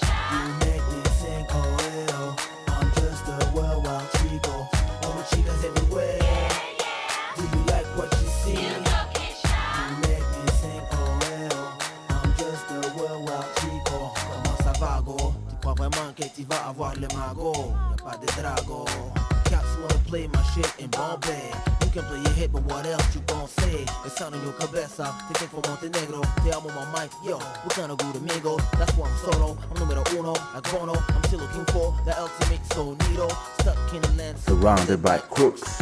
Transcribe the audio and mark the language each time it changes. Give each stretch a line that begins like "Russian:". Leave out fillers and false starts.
English: You make me think, oh, I'm just a worldwide chico. All my chicas everywhere. Do you like what you see? You make me think, oh, I'm just a worldwide chico.
French: Comment ça va, go? Tu crois vraiment que tu vas avoir le magot? Y'a pas de drago.
English: Cats wanna play my shit in Bombay. You can play your hit, but what else you gon' say? The sound of your cabeza, take it for Montenegro. They all on my mic, yo, we kinda good amigos. That's why I'm solo, I'm numero uno, like Bono. I'm still looking for the ultimate sonido. Stuck in the land, surrounded by crooks.